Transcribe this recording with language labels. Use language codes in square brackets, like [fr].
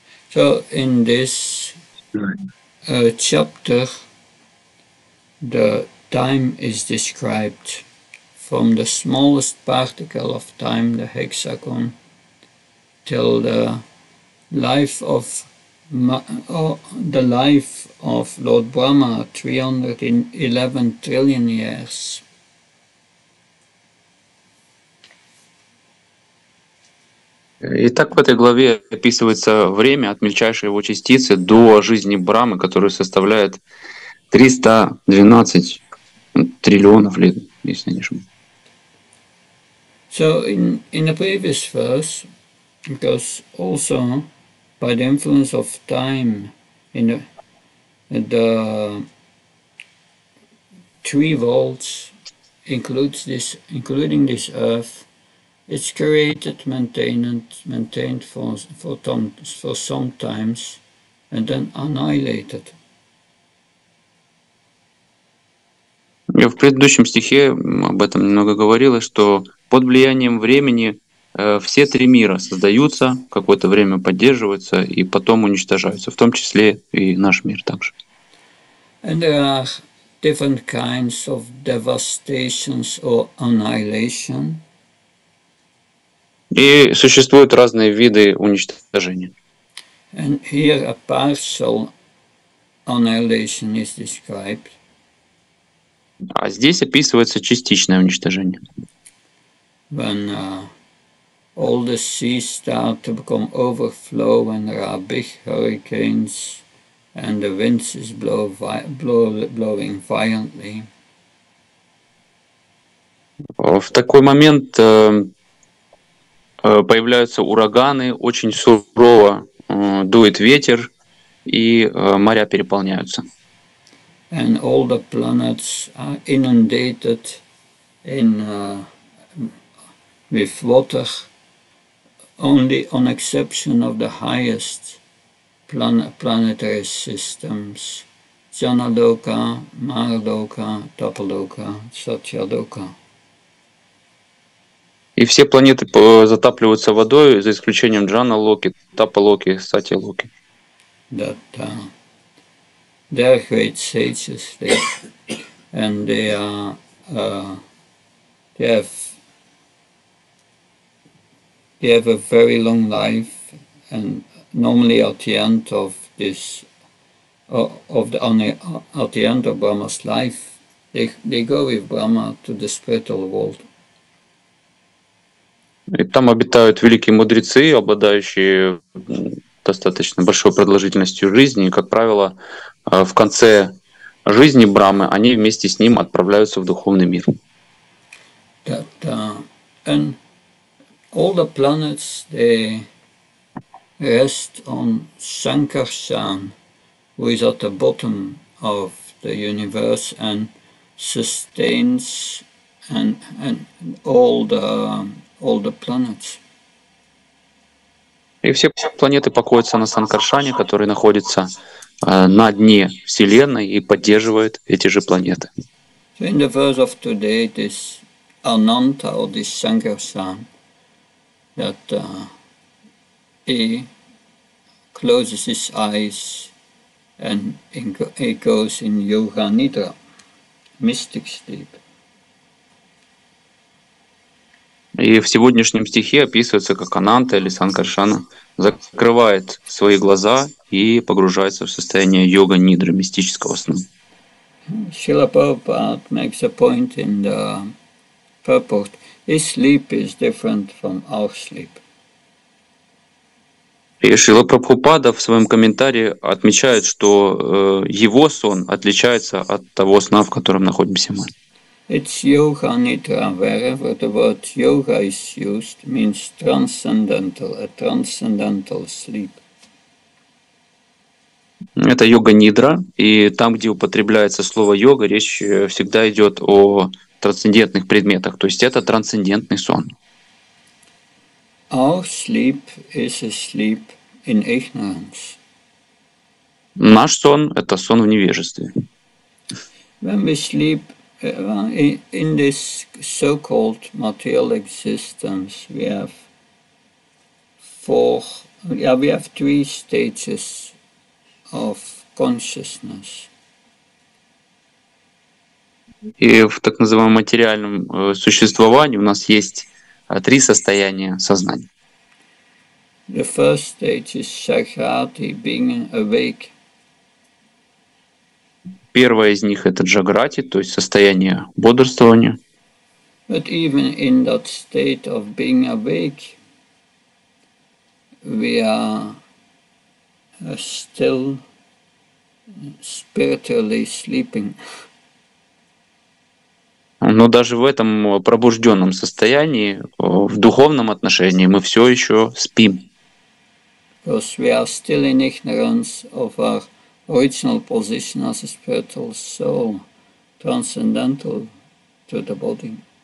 [en] So in this chapter the time is described from the smallest particle of time, the hexagon, till the life of the life of Lord Brahma, 311 trillion years. [ru] Итак, в этой главе описывается время от мельчайшей его частицы до жизни Брамы, которая составляет 312 триллионов лет, если не ошибаюсь. [en] So in the previous verse, because also by the influence of time, in the three worlds, including this earth, it's created, maintained for some times, and then annihilated. [ru] Я в предыдущем стихе об этом немного говорила, что под влиянием времени все три мира создаются, какое-то время поддерживаются и потом уничтожаются, в том числе и наш мир также. [en] And there are different kinds of devastations or annihilation. [ru] И существуют разные виды уничтожения. [en] And here a partial annihilation is described. [ru] А здесь описывается частичное уничтожение. [en] When, all the seas start to become overflow when there are big hurricanes and the winds is blowing violently. [ru] В такой момент появляются ураганы, очень сурово дует ветер, и моря переполняются. [en] And all the planets are inundated in with water. Only on exception of the highest planetary systems, Janaloka, Maraloka, Tapaloka, Satyaloka. [ru] И все планеты затапливаются водой, за исключением Джана Локи, Тапа Локи, Сати Локи. Да, да. [en] There are great sages there, and they have a very long life, and normally at the end of this, at the end of Brahma's life, they go with Brahma to the spiritual world. [ru] И там обитают великие мудрецы, обладающие достаточно большой продолжительностью жизни. И, как правило, в конце жизни Брамы они вместе с ним отправляются в духовный мир. [en] That, and all the planets, they rest on Sankarsan, who is at the bottom of the universe and sustains and all the planets. [ru] И все планеты покоятся на Санкаршане, который находится на дне Вселенной и поддерживает эти же планеты. [en] So in the verse of today, this Ananta or this Sankarsan, that he closes his eyes and he goes in Yoga Nidra, mystic sleep. [ru] И в сегодняшнем стихе описывается, как Ананта или Санкаршана закрывает свои глаза и погружается в состояние йога-нидры, мистического сна. [en] Шрила Прабхупада makes a point in the purport. His sleep is different from our sleep. [ru] И Шрила Прабхупада в своем комментарии отмечает, что его сон отличается от того сна, в котором находимся мы. [en] It's yoga nidra. Wherever the word yoga is used, means transcendental, a transcendental sleep. [ru] Это йога нидра, и там, где употребляется слово йога, речь всегда идет о трансцендентных предметах. То есть это трансцендентный сон. [en] Our sleep is a sleep in ignorance. [ru] Наш сон – это сон в невежестве. [en] When we sleep in this so-called material existence, we have three stages of consciousness. [ru] И в так называемом материальном существовании у нас есть три состояния сознания. [en] The first stage is Sakrati, being awake. [ru] Первое из них — это джаграти, то есть состояние бодрствования. [en] But even in that state of being awake, we are still spiritually sleeping. [ru] Но даже в этом пробужденном состоянии, в духовном отношении, мы все еще спим. [en] Because we are still in ignorance of our original position as a spiritual soul, transcendental to the body.